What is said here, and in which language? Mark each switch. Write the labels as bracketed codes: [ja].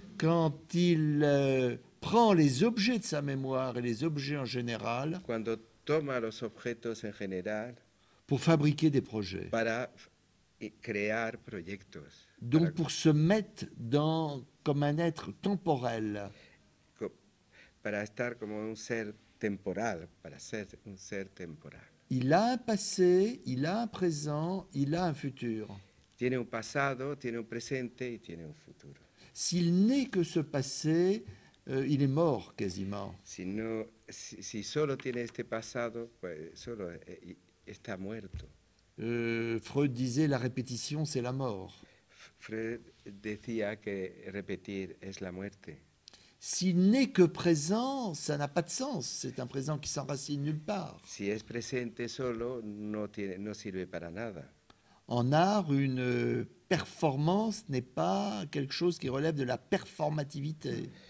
[fr] Quand il prend les objets de sa mémoire et les objets en général, [es] cuando toma los objetos en general, [fr] pour fabriquer des projets, [es] para crear proyectos, [fr] donc [es] para... [fr] pour se mettre dans comme un être temporel, [es] para estar como un ser temporal, para ser un ser temporal. [fr] Il a un passé, il a un présent, il a un futur. [es] Tiene un pasado, tiene un presente y tiene un futuro. [fr] S'il n'est que ce passé, il est mort quasiment. [es] Si solo tiene este pasado, pues solo está muerto. [fr] Freud disait la répétition c'est la mort. [es] Freud decía que repetir es la muerte. [fr] S'il n'est que présent, ça n'a pas de sens. C'est un présent qui s'enracine nulle part. [es] Si es presente solo, no sirve para nada. [fr] En art, une performance n'est pas quelque chose qui relève de la performativité.